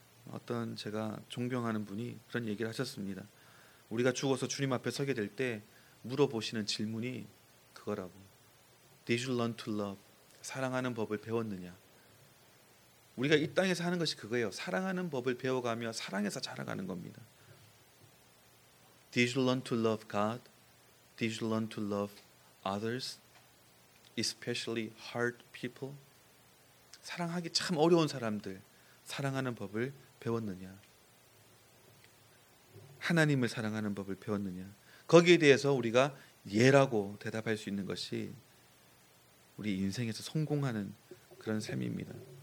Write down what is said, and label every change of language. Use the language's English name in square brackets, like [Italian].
[Korean] 어떤 제가 존경하는 분이 그런 얘기를 하셨습니다. 우리가 죽어서 주님 앞에 서게 될 때 물어보시는 질문이 그거라고. [English] Did you learn to love? [Korean] 사랑하는 법을 배웠느냐? 우리가 이 땅에서 하는 것이 그거예요. 사랑하는 법을 배워가며 사랑에서 자라가는 겁니다. [English] Did you learn to love God? Did you learn to love others? Especially hard people? [Korean] 사랑하기 참 어려운 사람들, 사랑하는 법을 배웠느냐? 하나님을 사랑하는 법을 배웠느냐? 거기에 대해서 우리가 예라고 대답할 수 있는 것이 우리 인생에서 성공하는 그런 셈입니다.